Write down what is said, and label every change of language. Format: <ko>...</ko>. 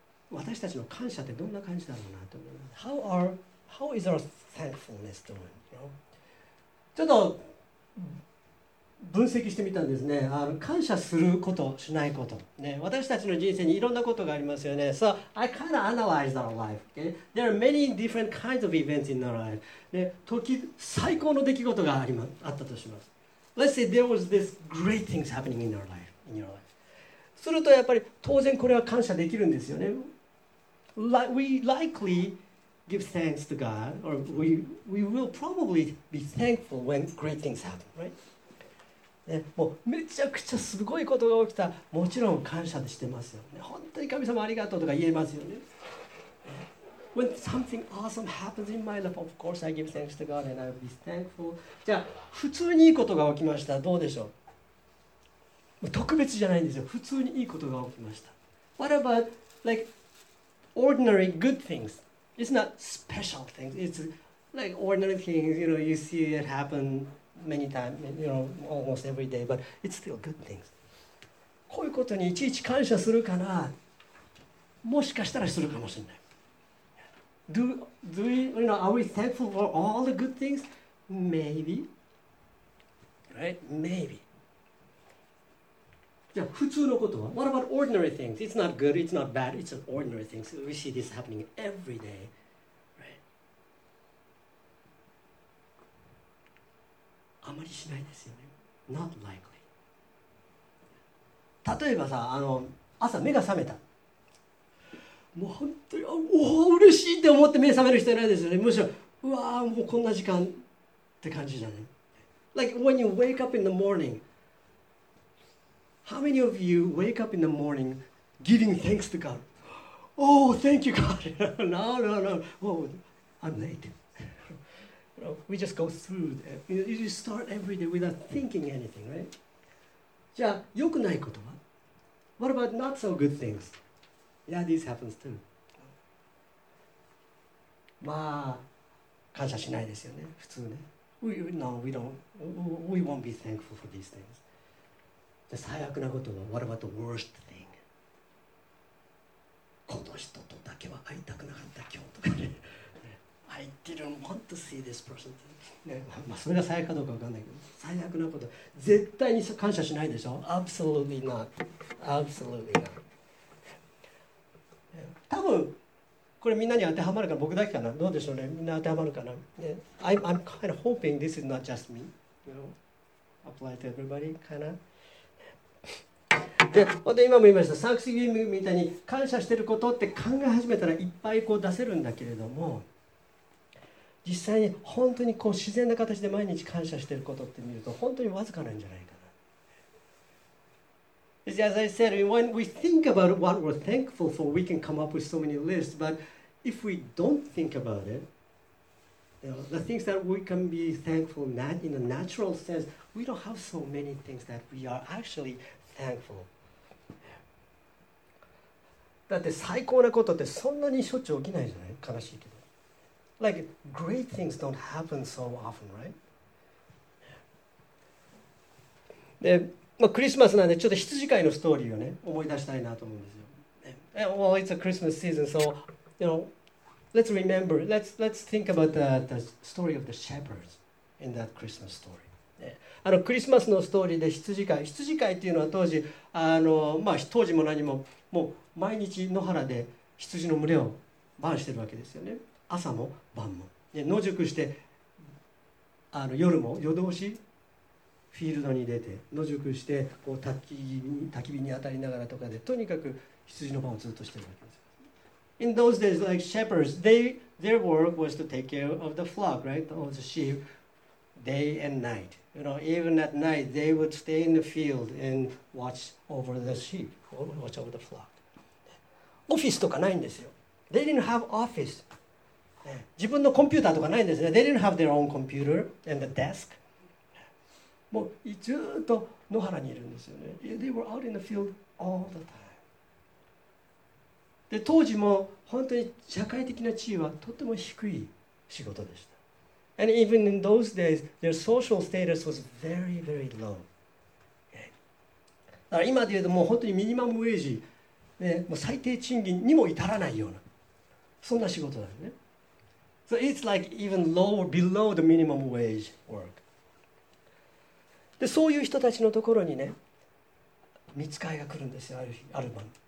<ja>私たちの感謝ってどんな感じだろうなと思います。</ja> <en>How is our thankfulness doing? You know?</en> <ja>ちょっと分析してみたんですね。感謝すること、しないこと、ね。私たちの人生にいろんなことがありますよね。</ja> <en>So I kind of analyzed our life.、Okay? There are many different kinds of events in our life.、</en> <ja>ね、最高の出来事があったとします。</ja> <en>Let's say there was this great things happening in our life. In your life.</en> <ja>するとやっぱり当然これは感謝できるんですよね。</ja> <en>We likely give thanks to God, or we will probably be thankful when great things happen, right?</en> <ja>ね、もうめちゃくちゃすごいことが起きた、もちろん感謝してますよね。本当に神様ありがとうとか言えますよね。</ja> <en>When something awesome happens in my life, of course I give thanks to God and I will be thankful.</en> <ja>じゃあ普通にいいことが起きました、どうでしょう。もう特別じゃないんですよ。普通にいいことが起きました。</ja> <en>What about like ordinary good things? It's not special things. It's like ordinary things. You know, you see it happen. Many times, you know, almost every day, but it's still good things.</en> <ja>こういうことにいちいち感謝するかな、もしかしたらするかもしれない。</ja> <en>Do we, you know, are we thankful for all the good things? Maybe. Right? Maybe.</en> <ja>じゃあ普通のことは?</ja> <en>What about ordinary things? It's not good, it's not bad, it's an ordinary thing. So we see this happening every day.</en> <ja>あまりしないですよね。</ja> <en>Not likely.</en> <ja>例えばさ、あの朝目が覚めた。もう本当に、おお、嬉しいって思って目覚める人いないですよね。むしろ、うわー、もうこんな時間って感じじゃない。</ja> <en>Like when you wake up in the morning, how many of you wake up in the morning giving thanks to God? Oh, thank you, God. No. Oh, I'm late. We just go through that. You just start every day without thinking anything, right?</en> <ja>じゃあ、良くないことは?</ja> <en>What about not so good things? Yeah, this happens too.</en> <ja>まあ、感謝しないですよね、普通ね。</ja> <en>We won't be thankful for these things.</en> <ja>じゃあ、最悪なことは?</ja> <en>What about the worst thing?</en> <ja>この人とだけは会いたくなかった今日とかね。</ja> <en>I didn't want to see this person.</en> <ja>まあそれが最悪かどうか分かんないけど、最悪なこと絶対に感謝しないでしょ。</ja> <en>Absolutely not. Absolutely not.</en> <ja>多分これみんなに当てはまるか、僕だけかな、どうでしょうね、みんな当てはまるかな。</ja> <en>I'm kind of hoping this is not just me. You know, apply to everybody, kind of.</en> <ja>で、本当に今も言いました、サンクスギビングみたいに感謝してることって考え始めたらいっぱいこう出せるんだけれども、実際に本当にこう自然な形で毎日感謝していることって見ると本当にわずかなんじゃないかな。</ja> <en>As I said, when we think about what we're thankful for, we can come up with so many lists. But if we don't think about it, you know, the things that we can be thankful not in a natural sense, we don't have so many things that we are actually thankful.</en> <ja>だって最高なことってそんなにしょっちゅう起きないじゃない、悲しいけど。</ja> <en>Like great things don't happen so often, right?</en> <ja>で、まあクリスマスなんでちょっと羊飼いのストーリーをね思い出したいなと思うんですよ。</ja> <en>Well, it's a Christmas season, so you know, let's remember, let's think about the story of the shepherds in that Christmas story.</en> <ja>あのクリスマスのストーリーで羊飼いっていうのは当時あのまあ当時も何ももう毎日野原で羊の群れを番してるわけですよね。朝も晩も野宿してあの夜も夜通しフィールドに出て野宿してこう焚き火に当たりながらとかでとにかく羊の番をずっとしてるわけです。</ja> <en>In those days, like shepherds, their work was to take care of the flock, right? Of the sheep, day and night. You know, even at night, they would stay in the field and watch over the sheep, watch over the flock.</en> <ja>オフィスとかないんですよ。</ja> <en>They didn't have office.</en> <ja>自分のコンピューターとかないんですね。</ja> <en>They didn't have their own computer and the desk.</en> <ja>もうずっと野原にいるんですよね。</ja> <en>They were out in the field all the time.</en> <ja>で当時も本当に社会的な地位はとても低い仕事でした。</ja> <en>And even in those days, their social status was very, very low.</en> <ja>だから今で言うともう本当にミニマムウェージ、ね、もう最低賃金にも至らないようなそんな仕事だよね。</ja> <en>So it's like even lower, below the minimum wage work.</en> <ja>で、そういう人たちのところにね、御使いが来るんですよ、ある日、ある晩。</ja>